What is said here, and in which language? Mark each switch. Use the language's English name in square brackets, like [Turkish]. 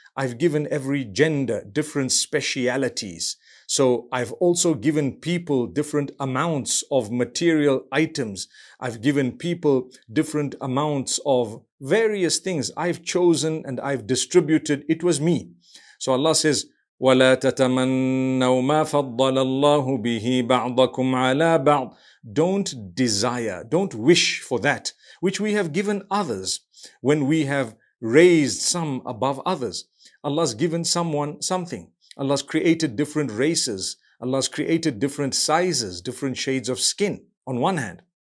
[English] I've given every gender different specialities. So I've also given people different amounts of material items. I've given people different amounts of various things. I've chosen and I've distributed. It was me. [Arabic] So Allah says, وَلَا تَتَمَنَّوْا مَا فَضَّلَ اللَّهُ بِهِ بَعْضَكُمْ عَلَىٰ بَعْضٍ. [English] Don't desire, don't wish for that which we have given others when we have raised some above others. Allah's given someone something. Allah's created different races. Allah's created different sizes, different shades of skin on one hand.